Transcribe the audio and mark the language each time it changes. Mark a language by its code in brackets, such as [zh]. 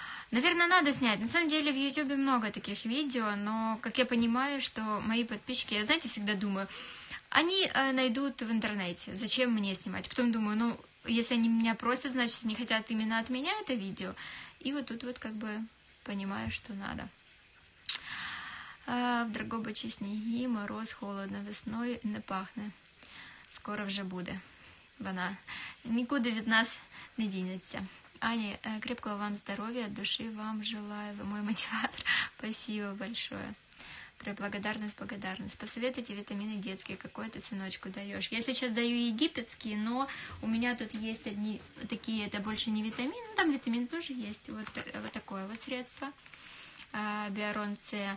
[ru] Наверное, надо снять. На самом деле, в Ютубе много таких видео, но, как я понимаю, что мои подписчики, я, знаете, всегда думаю, они найдут в интернете, зачем мне снимать. Потом думаю, ну, если они меня просят, значит, они хотят именно от меня это видео. И вот тут вот как бы понимаю, что надо. В Драгобыче снеги, мороз, холодно, весной не пахнет. Скоро уже будет. [uk] Вона нікуди від нас не дінеться. Ані, [ru] крепкого вам [uk] здоров'я, душі вам желаю. [ru] Ви мой мотиватор. Спасибо большое. Преблагодарность, благодарность. Посоветуйте витамины детские, какой ты сыночку даешь. Я сейчас даю египетские, но у меня тут есть одни такие, это больше не витамин, но там витамин тоже есть. Вот, вот такое вот средство. Биарон С.